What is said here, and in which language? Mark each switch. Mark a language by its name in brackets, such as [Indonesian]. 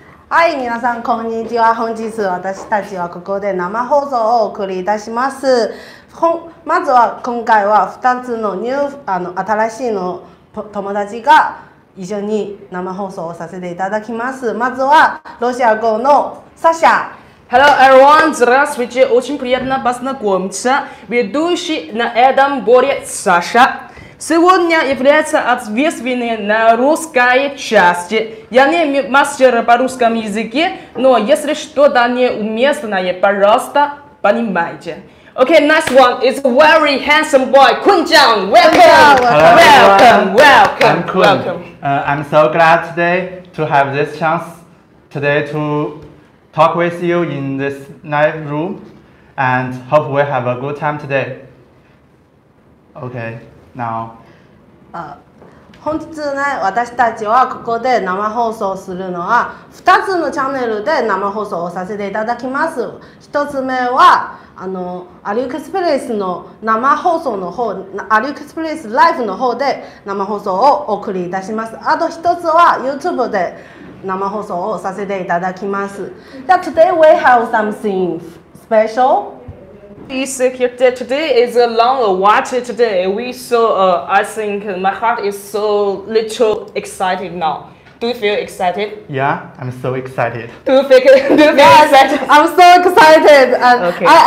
[Japanese] Hi, 皆さんこんにちは。本日私たちはここで生放送をお送りいたします。まずは今回は2つのニュー、あの新しいの友達が一緒に生放送をさせていただきます。まずはロシア語のサシャ。 [English] Hello everyone, [Russian] здравствуйте, очень приятно познакомиться, ведущий на этом боре Саша. Сегодня является ответственный на русской части. Я не мастер по русскому языке, но если что-то неуместное, пожалуйста, понимайте. [English] Okay, next one is a very handsome boy, Kun Jiang. Welcome! Hello, welcome, welcome! I'm Kun. I'm so glad today to have this chance today to... talk with you in this live room, and hope we have a good time today. Okay, now. [Japanese] 本日ね、私たちはここで生放送するのは2つのチャンネルで生放送をさせていただきます。 1つ目はあのアリクスプレスの生放送の方、アリクスプレスライフの方で生放送をお送りいたします。あと1つは YouTube で。生放送をさせていただきます。 [English] Now, today we have something special. It's here today is a long awaited today. We so, I think my heart is so little excited now. Do you feel excited? Yeah, I'm so excited. Do you feel excited? I'm so excited. Okay.